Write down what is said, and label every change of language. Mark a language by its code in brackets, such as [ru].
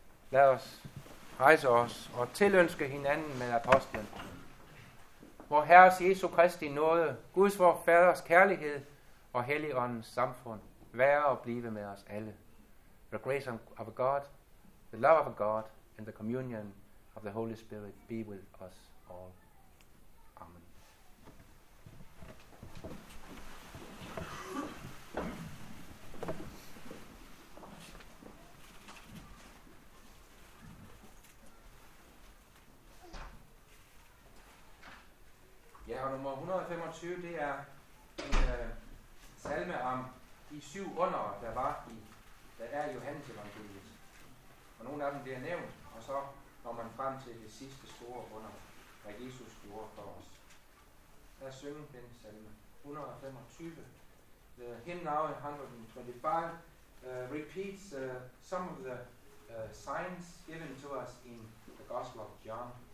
[da] Lad os rejse os og tilønske hinanden med apostlen. Vor Herres Jesu Kristi nåde, Guds vor Faders kærlighed og Helligåndens samfund, være og blive med os alle. [en] The grace of God, the love of God, and the communion of the Holy Spirit be with us all. [da] Nummer 125, det er en salme om de syv under, der er i Johannes evangeliet. Og nogle af dem bliver nævnt, og så når man frem til det sidste store under, hvad Jesus gjorde for os. Lad os synge den salme. 125. [en] The hymn now, 125, repeats some of the signs given to us in the Gospel of John.